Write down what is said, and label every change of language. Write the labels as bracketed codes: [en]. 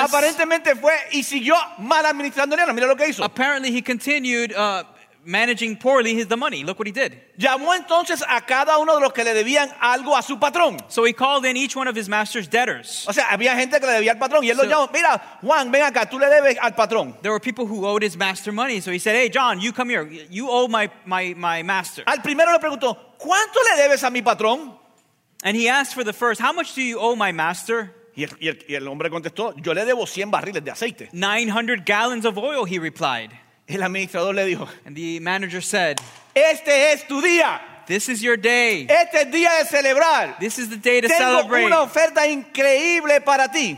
[es] aparentemente fue y siguió mal administrando dinero. Mira lo que hizo. [en] Apparently he continued managing poorly the money. Look what he did. [es] Llamó entonces a cada uno de los que le debían algo a su patrón. [en] So he called in each one of his master's debtors. [es] O sea, había gente que le debía al patrón y él lo llamó. Mira, Juan, ven acá, tú le debes al patrón. [en] There were people who owed his master money, so he said, "Hey, John, you come here. You owe my master." [es] Al primero le preguntó, "¿Cuánto le debes a mi patrón?" [en] And he asked for the first, "How much do you owe my master?" [es] Y el hombre contestó, "Yo le debo 100 barriles de aceite." [en] 900 gallons of oil, he replied. [es] El administrador le dijo, [en] and the manager said, [es] este es tu día. [en] This is your day. [es] Este es día de celebrar. [en] This is the day to [es] Tengo [en] celebrate. [es] Una oferta increíble para ti.